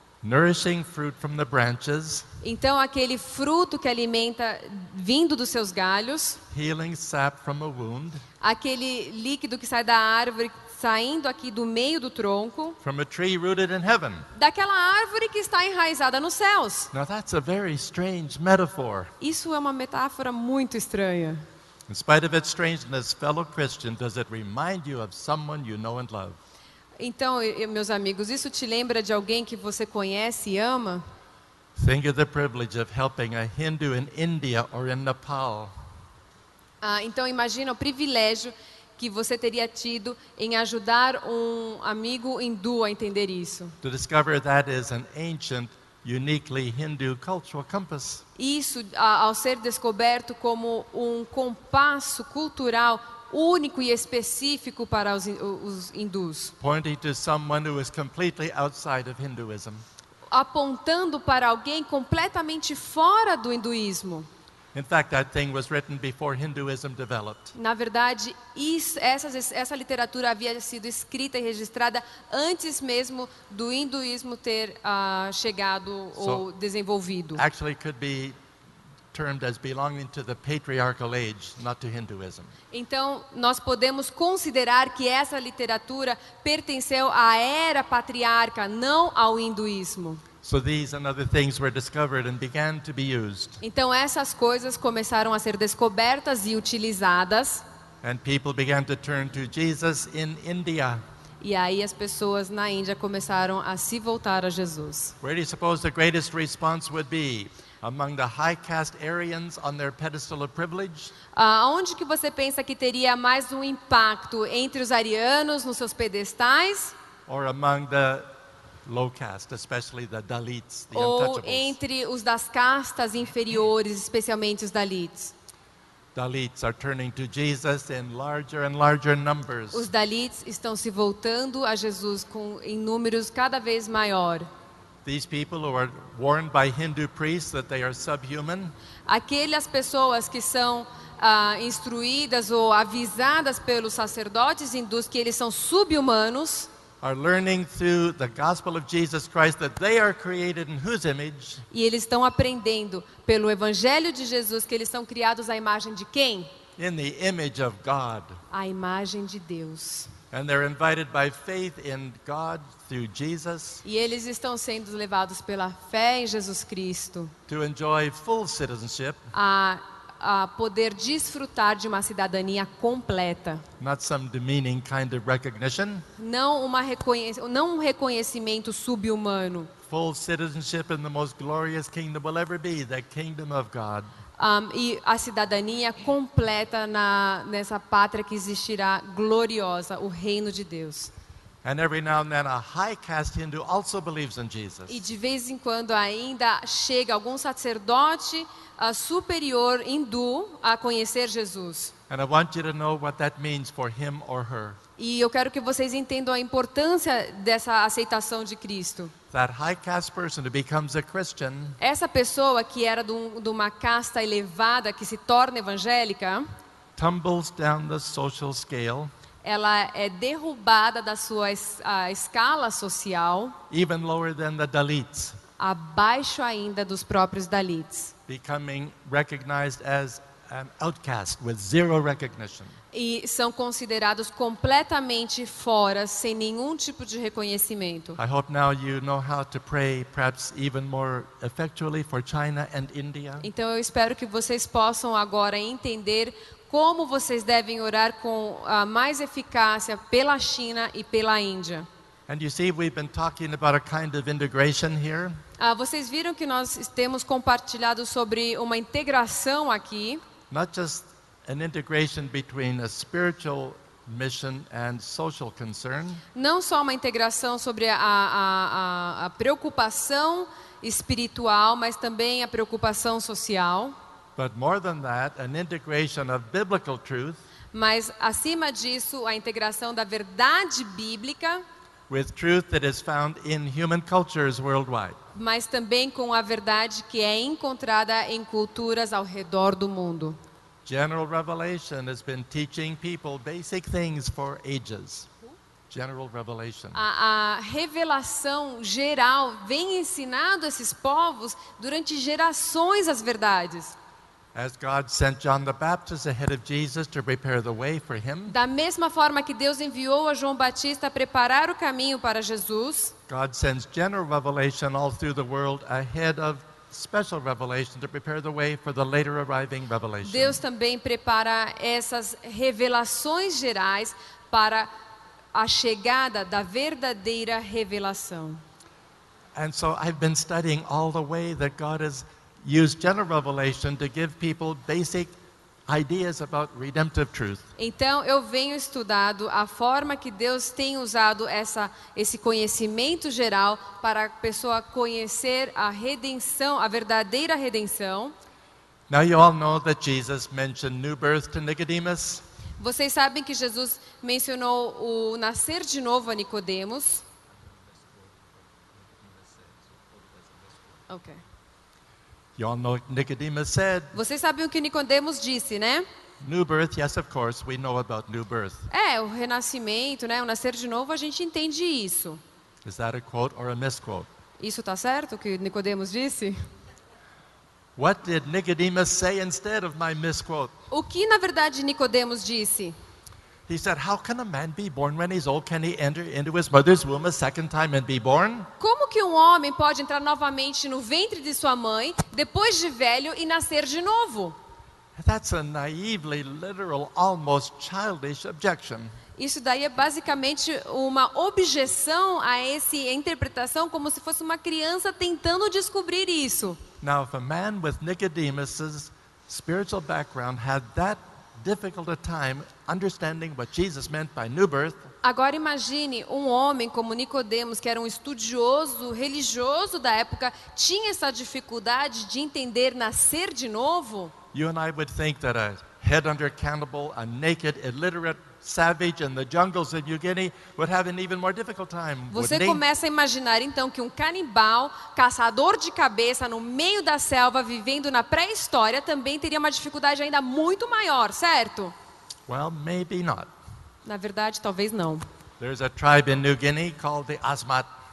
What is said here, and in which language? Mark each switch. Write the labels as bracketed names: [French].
[English] Nourishing fruit from the branches. [Portuguese] Então aquele fruto que alimenta vindo dos seus galhos. [English] Healing sap from a wound. [Portuguese] Aquele líquido que sai da árvore saindo aqui do meio do tronco. [English] From a tree rooted in heaven. [Portuguese] Daquela árvore que está enraizada nos céus. [English] Now that's a very strange metaphor. [Portuguese] Isso é uma metáfora muito estranha. [English] In spite of its strangeness, fellow Christian, does it remind you of someone you know and love? [Portuguese] Então, meus amigos, isso te lembra de alguém que você conhece e ama? [English] Think of the privilege of helping a Hindu in India or in Nepal. [Portuguese] Então imagina o privilégio que você teria tido em ajudar um amigo hindu a entender isso. [English] To discover that is an ancient, uniquely Hindu cultural compass. [Portuguese] Isso ao ser descoberto como um compasso cultural único e específico para os hindus. [English] Pointing to someone who is completely outside of Hinduism. [Portuguese] Apontando para alguém completamente fora do hinduísmo. [English] In fact, that thing was written before Hinduism developed. [Portuguese] Na verdade, essa literatura havia sido escrita e registrada antes mesmo do hinduísmo ter chegado ou desenvolvido. [English] Actually, it could be termed as belonging to the patriarchal age, not to Hinduism. [Portuguese] Então, nós podemos considerar que essa literatura pertenceu à era patriarca, não ao hinduísmo. [English] So these and other things were discovered and began to be used. [Portuguese] Então, essas coisas começaram a ser descobertas e utilizadas. [English] And people began to turn to Jesus in India. [Portuguese] E aí as pessoas na Índia começaram a se voltar a Jesus. [English] Where do you suppose the greatest response would be? Among the high caste Aryans on their pedestal of privilege? [Portuguese] Onde que você pensa que teria mais um impacto entre os arianos nos seus pedestais? [English] Or among the low caste, especially the Dalits, the untouchables? [Portuguese] Ou entre os das castas inferiores, especialmente os Dalits? [English] Dalits are turning to Jesus in larger and larger numbers. [Portuguese] Os Dalits estão se voltando a Jesus em números cada vez maior. [English] These people who are warned by Hindu priests that they are subhuman. [Portuguese] Aquelas pessoas que são instruídas ou avisadas pelos sacerdotes hindus que eles são sub-humanos. [English] Are learning through the gospel of Jesus Christ that they are created in whose image? [Portuguese] E eles estão aprendendo pelo evangelho de Jesus que eles são criados à imagem de quem? [English] In the image of God. [Portuguese] À imagem de Deus. [English] And they're invited by faith in God through Jesus. [Portuguese] E eles estão sendo levados pela fé em Jesus Cristo. [English] To enjoy full citizenship. [Portuguese] A poder desfrutar de uma cidadania completa. [English] Not some demeaning kind of recognition. [Portuguese] Não um reconhecimento sub-humano. [English] Full citizenship in the most glorious kingdom will ever be, the kingdom of God. [Portuguese] E a cidadania completa nessa pátria que existirá gloriosa, o reino de Deus. [English] And every now and then a high caste Hindu also believes in Jesus. [Portuguese] E de vez em quando ainda chega algum sacerdote superior hindu a conhecer Jesus. [English] And I want you to know what that means for him or her. [Portuguese] E eu quero que vocês entendam a importância dessa aceitação de Cristo. [English] That high caste person who becomes a Christian. [Portuguese] Essa pessoa que era de uma casta elevada que se torna evangélica. [English] Tumbles down the social scale. [Portuguese] Ela é derrubada da sua escala social. [English] Even lower than the Dalits. [Portuguese] Abaixo ainda dos próprios Dalits. [English] Becoming recognized as an outcast with zero recognition. [Portuguese] E são considerados completamente fora, sem nenhum tipo de reconhecimento. [English] I hope now you know how to pray perhaps even more effectually for China and India. [Portuguese] Então eu espero que vocês possam agora entender como vocês devem orar com a mais eficácia pela China e pela Índia. [English] And you see, we've been talking about a kind of integration here. [Portuguese] Vocês viram que nós temos compartilhado sobre uma integração aqui. [English] Not just an integration between a spiritual mission and social concern. [Portuguese] Não só uma integração sobre a preocupação espiritual, mas também a preocupação social. [English] But more than that, an integration of biblical truth. [Portuguese] Mas acima disso, a integração da verdade bíblica. [English] With truth that is found in human cultures worldwide. [Portuguese] Mas também com a verdade que é encontrada em culturas ao redor do mundo. [English] General Revelation has been teaching people basic things for ages. General Revelation. [Portuguese] A revelação geral vem ensinando esses povos durante gerações as verdades. [English] As God sent John the Baptist ahead of Jesus to prepare the way for him. [Portuguese] Da mesma forma que Deus enviou a João Batista a preparar o caminho para Jesus. [English] God sends general revelation all through the world ahead of special revelation to prepare the way for the later arriving revelation. [Portuguese] Deus também prepara essas revelações gerais para a chegada da verdadeira revelação. [English] And so I've been studying all the way that God has used general revelation to give people basic ideas about redemptive truth. [Portuguese] Então eu venho estudando a forma que Deus tem usado esse conhecimento geral para a pessoa conhecer a redenção, a verdadeira redenção. [English] Now you all know that Jesus mentioned new birth to Nicodemus. [Portuguese] Vocês sabem que Jesus mencionou o nascer de novo a Nicodemos. [English] Okay. You all know Nicodemus said. [Portuguese] Vocês sabem o que Nicodemos disse, né? [English] New birth, yes, of course, we know about new birth. [Portuguese] É, o renascimento, né? O nascer de novo, a gente entende isso. [English] Is that a quote or a misquote? [Portuguese] Isso está certo, o que Nicodemos disse? [English] What did Nicodemus say instead of my misquote? [Portuguese] O que, na verdade, Nicodemos disse? [English] He said, how can a man be born when he's old? Can he enter into his mother's womb a second time and be born? [Portuguese] Como que homem pode entrar novamente no ventre de sua mãe, depois de velho, e nascer de novo? [English] That's a naively literal, almost childish objection. [Portuguese] Isso daí é basicamente uma objeção a essa interpretação, como se fosse uma criança tentando descobrir isso. [English] Now, if a man with Nicodemus's spiritual background had that difficult a time understanding what Jesus meant by new birth. [Portuguese] Agora imagine homem como Nicodemos, que era estudioso religioso da época, tinha essa dificuldade de entender nascer de novo. [English] You and I would think that a head under cannibal, a naked, illiterate savage in the jungles of New Guinea would have an even more difficult time. [Portuguese] Você começa a imaginar então que um canibal, caçador de cabeça no meio da selva vivendo na pré-história também teria uma dificuldade ainda muito maior, certo? [English] Well, maybe not. [Portuguese] Na verdade, talvez não. [English] There's a tribe in New Guinea called the Asmat.